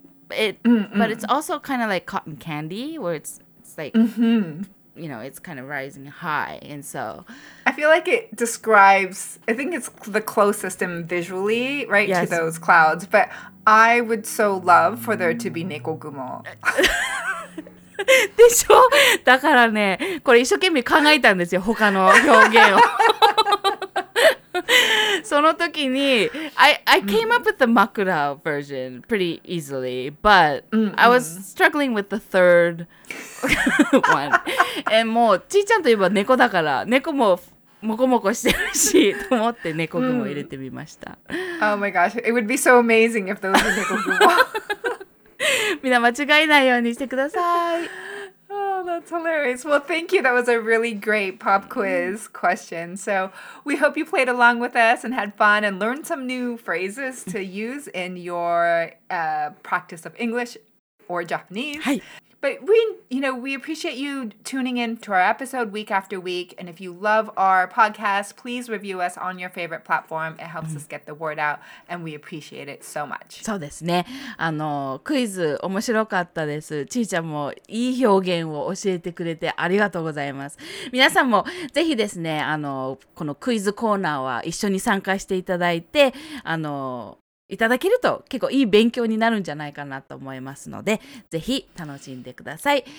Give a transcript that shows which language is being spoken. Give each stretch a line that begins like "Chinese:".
English: But it's also kind of like cotton candy, where it's like.、 Mm-hmm. You know, it's kind of rising high. And so I feel like it describes, I think it's the closest in visually, right,、yes. to those clouds. But I would so love for there to be neko gumo.
Japanese: でしょ? だからね、これ一生懸命考えたんですよ、他の表現を。その時に、
English: I came up with the makura version pretty easily, but I was struggling with the third one. And
Japanese: もう、ちーちゃんといえば猫だから、猫ももこもこしてるし、と思って猫雲を入れてみました。
English: Oh my gosh, it would be so amazing if those were 猫雲。
Japanese: みんな間違えないようにしてください。
English: Oh, that's hilarious. Well, thank you. That was a really great pop quiz question. So we hope you played along with us and had fun and learned some new phrases to use in your practice of English or Japanese. Hi. But we, you know, we appreciate you tuning in to our episode week after week. And if you love our podcast, please review us on your favorite platform. It helps us get the word out, and we appreciate it so much.
Japanese: そうですね。あの、クイズ面白かったです。ちーちゃんもいい表現を教えてくれてありがとうございます。皆さんもぜひですね、あの、このクイズコーナーは一緒に参加していただいて、あの、いただけると結構いい勉強になるんじゃないかなと思いますので、ぜひ楽しんでください。